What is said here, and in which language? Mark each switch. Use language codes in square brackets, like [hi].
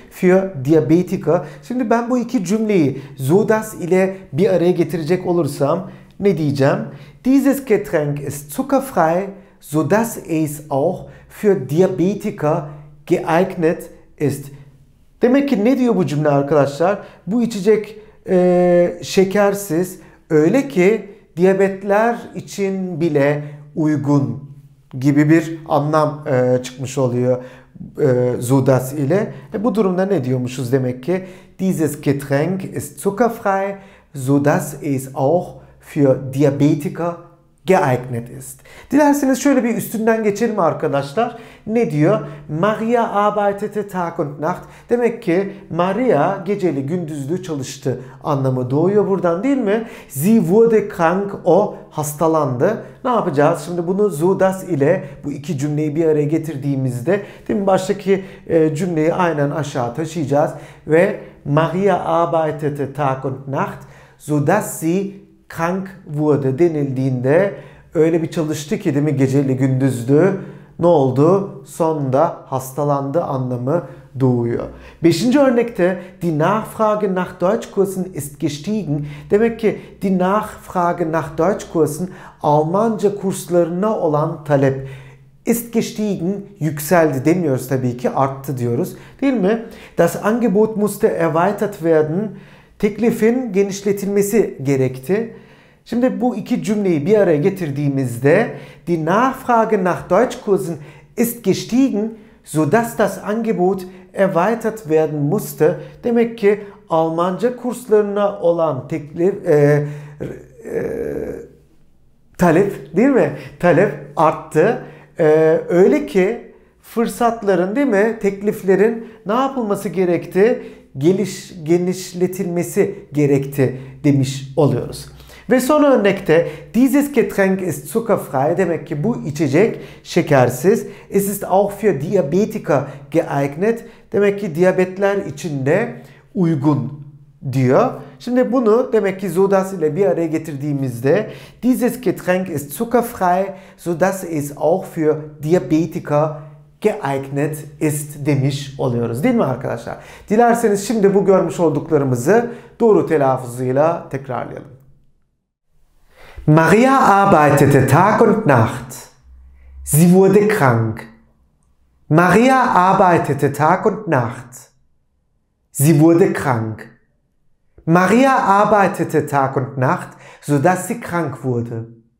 [de] Für Diabetiker. [tr] Şimdi ben bu iki cümleyi so das ile bir araya getirecek olursam ne diyeceğim? [de] Dieses Getränk ist zuckerfrei, so dass es auch für Diabetiker geeignet ist. [tr] Demek ki ne diyor bu cümle arkadaşlar? Bu içecek şekersiz öyle ki diyabetler için bile uygun gibi bir anlam çıkmış oluyor so das ile. Bu durumda ne diyormuşuz demek ki? [de] Dieses Getränk ist zuckerfrei, so dass es auch für Diabetiker geeignet ist. [tr] Dilerseniz şöyle bir üstünden geçelim arkadaşlar. Ne diyor? [de] Maria arbeitete Tag und Nacht. [tr] Demek ki Maria geceli gündüzlü çalıştı anlamı doğuyor buradan değil mi? [de] Sie wurde krank, [tr] o hastalandı. Ne yapacağız? Şimdi bunu so das ile bu iki cümleyi bir araya getirdiğimizde değil mi? Baştaki cümleyi aynen aşağı taşıyacağız. Ve [de] Maria arbeitete Tag und Nacht, so dass sie krank wurde [tr] denildiğinde öyle bir çalıştı ki değil mi, geceli gündüzlü ne oldu? Sonunda hastalandı anlamı doğuyor. Beşinci örnekte [de] die Nachfrage nach Deutschkursen ist gestiegen. [tr] Demek ki [de] die Nachfrage nach Deutschkursen, [tr] Almanca kurslarına olan talep, [de] ist gestiegen, [tr] yükseldi demiyoruz tabii ki, arttı diyoruz değil mi? [de] Das Angebot musste erweitert werden. [tr] Teklifin genişletilmesi gerekti. Şimdi bu iki cümleyi bir araya getirdiğimizde [de] die Nachfrage nach Deutschkursen ist gestiegen, so dass das Angebot erweitert werden musste. [tr] Demek ki Almanca kurslarına olan teklif talep değil mi? Talep arttı. Öyle ki fırsatların değil mi, tekliflerin ne yapılması gerekti? Genişletilmesi gerekti demiş oluyoruz. Ve son örnekte [de] dieses Getränk ist zuckerfrei, [tr] demek ki bu içecek şekersiz. [de] Es ist auch für Diabetiker geeignet, [tr] demek ki diyabetler için de uygun diyor. Şimdi bunu demek ki so das ile bir araya getirdiğimizde [de] dieses Getränk ist zuckerfrei, so das ist auch für Diabetiker geeignet ist [tr] demiş oluyoruz değil mi arkadaşlar? Dilerseniz şimdi bu görmüş olduklarımızı doğru telaffuzuyla tekrarlayalım. [de] Maria arbeitete Tag und Nacht. Sie wurde krank. Maria arbeitete Tag und Nacht. Sie wurde krank. Maria arbeitete Tag und Nacht, sodass sie krank wurde.